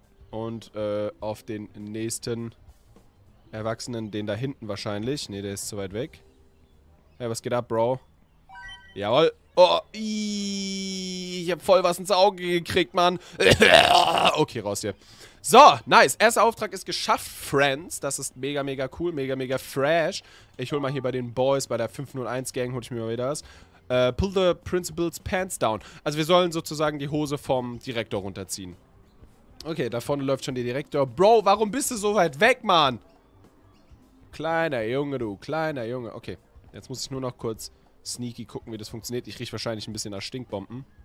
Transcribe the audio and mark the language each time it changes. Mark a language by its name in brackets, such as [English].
[German] Und auf den nächsten Erwachsenen, den da hinten wahrscheinlich. Ne, der ist zu weit weg. Hey, was geht ab, Bro? Jawohl. Oh, ich hab voll was ins Auge gekriegt, Mann. Okay, raus hier. So, nice. Erster Auftrag ist geschafft, Friends. Das ist mega, mega cool, mega, mega fresh. Ich hol mal hier bei den Boys, bei der 501-Gang, hol ich mir mal wieder das. [English] Pull the principal's pants down. [German] Also wir sollen sozusagen die Hose vom Direktor runterziehen. Okay, da vorne läuft schon der Direktor. Bro, warum bist du so weit weg, Mann? Kleiner Junge, du. Kleiner Junge. Okay, jetzt muss ich nur noch kurz sneaky gucken, wie das funktioniert. Ich riech wahrscheinlich ein bisschen nach Stinkbomben.